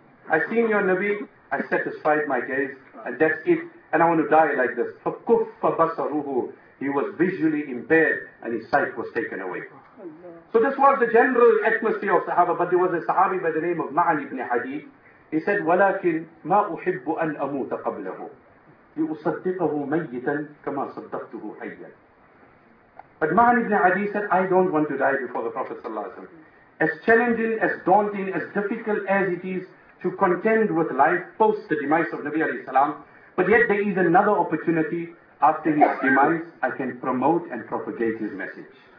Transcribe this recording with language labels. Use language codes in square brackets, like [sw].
[en] I seen your Nabi, I satisfied my gaze, and that's it. And I want to die like this. [ar] فَكُفَّ بَصَرُهُ. [en] He was visually impaired and his sight was taken away. So this was the general atmosphere of Sahaba, but there was a Sahabi by the name of Ma'an ibn Hadid. He said, [ar] وَلَكِنْ مَا أُحِبُّ أَنْ أَمُوتَ قَبْلَهُ لِأُصَدِّقَهُ مَيِّتًا كَمَا صَدَّقْتُهُ حَيًّا. [en] But Ma'an ibn Adi said, I don't want to die before the Prophet ﷺ. As challenging, as daunting, as difficult as it is to contend with life post the demise of Nabi alayhi salam, but yet there is another opportunity after his demise, I can promote and propagate his message.